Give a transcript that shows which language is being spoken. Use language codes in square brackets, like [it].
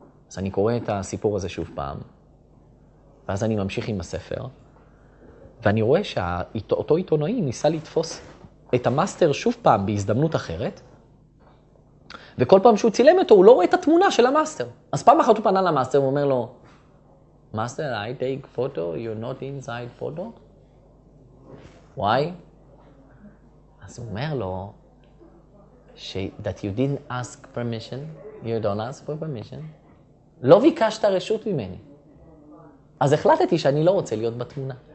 [he] אז אני קורא את הסיפור הזה שוב פעם, ואז אני ממשיך עם הספר, ואני רואה שאותו עיתונאי ניסה לתפוס את המאסטר שוב פעם בהזדמנות אחרת, וכל פעם שהוא צילם אותו, הוא לא רואה את התמונה של המאסטר. אז פעם אחת הוא פנה למאסטר ואומר לו, [en] Master, I take photo, you're not inside photo. Why? [he] אז הוא אומר לו, [en] that you didn't ask permission, you don't ask for permission. [he] לא ביקשת רשות ממני. אז החלטתי שאני לא רוצה להיות בתמונה.